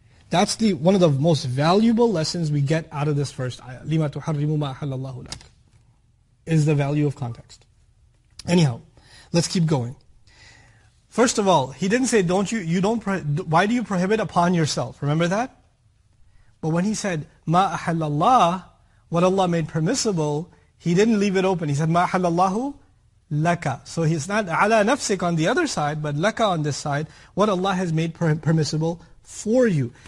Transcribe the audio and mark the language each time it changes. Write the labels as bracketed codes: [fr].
[en] That's one of the most valuable lessons we get out of this first ayah. [ar] لِمَا تُحَرِّمُ مَا أَحَلَّ اللَّهُ لَكَ [en] is the value of context. Anyhow, let's keep going. First of all, he didn't say, why do you prohibit upon yourself? Remember that? But when he said, [ar] مَا أَحَلَّ اللَّهُ, [en] what Allah made permissible, he didn't leave it open. He said, [ar] مَا أَحَلَّ اللَّهُ لَكَ. [en] So he's not [ar] عَلَى نَفْسِكَ [en] on the other side, but لَكَ on this side, what Allah has made permissible for you.